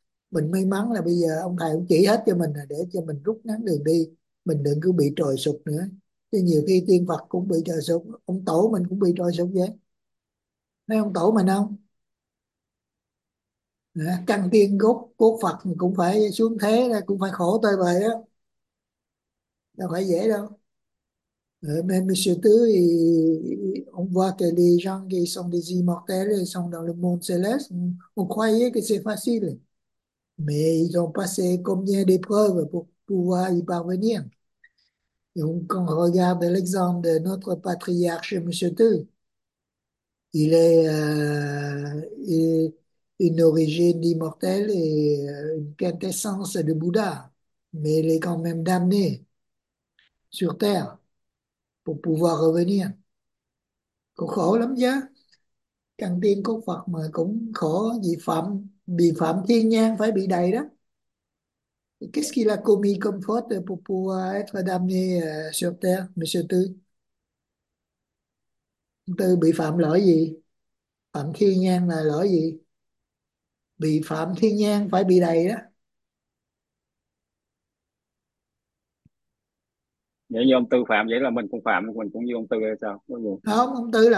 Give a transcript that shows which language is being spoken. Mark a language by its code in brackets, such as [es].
[vi] Mình may mắn là bây giờ ông thầy cũng chỉ hết cho mình, là để cho mình rút ngắn đường đi, mình đừng cứ bị trồi sụt nữa, chứ nhiều khi tiên Phật cũng bị trồi sụt, ông tổ mình cũng bị trồi sụt vậy, thấy ông tổ mình không, căn tiên gốc cốt Phật cũng phải xuống thế ra, cũng phải khổ tơi bời đó, đâu phải dễ đâu. [fr] Mais monsieur Tư, on voit que les gens qui sont des immortels sont dans le monde céleste, on croyait que c'est facile, mais ils ont passé combien d'épreuves pour pouvoir y parvenir. Donc, quand on regarde l'exemple de notre patriarche, monsieur Tư, il est une origine d'immortel et une quintessence de Bouddha, mais il est quand même damné sur Terre pour pouvoir revenir. [vi] Cũng khổ lắm chứ. Căn tiên cốt Phật mà cũng khổ, vì phạm thiên nhang phải bị đày đó. [fr] Qu'est-ce qu'il a commis comme faute pour pouvoir être damné sur terre, monsieur Tư? [vi] Tư bị phạm lỗi gì? Phạm thiên nhang là lỗi gì? Bị phạm thiên nhang phải bị đày đó. Nếu như ông Tư phạm vậy là mình cũng như ông Tư hay sao? Không, ông Tư là